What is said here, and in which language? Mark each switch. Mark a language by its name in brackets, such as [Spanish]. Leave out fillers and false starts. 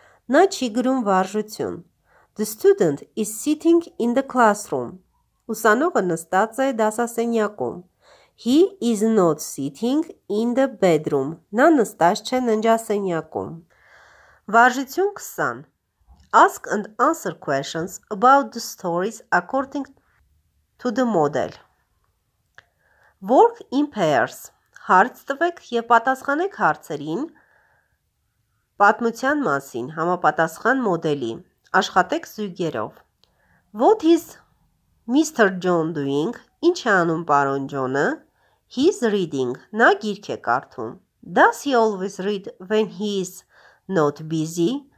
[Armenian] Նա չի գրում վարժություն։ [English] The student is sitting in the classroom. [Armenian] Ուսանողը նստած է դասասենյակում։ [English] He is not sitting in the bedroom. [Armenian] Նա նստած չէ ննջասենյակում։ Վարժություն 20. [English] Ask and answer questions about the stories according to the model. Work in pairs. [Armenian] Հարցտվեք եւ պատասխանեք հարցերին պատմության մասին, համապատասխան մոդելի։ Աշխատեք զույգերով։ [English] What is Mr. John doing? [Armenian] Ինչ է անում պարոն Ջոնը? [English] He's reading. [Armenian] Նա գիրք է կարդում։ [English] Does he always read when he's not busy?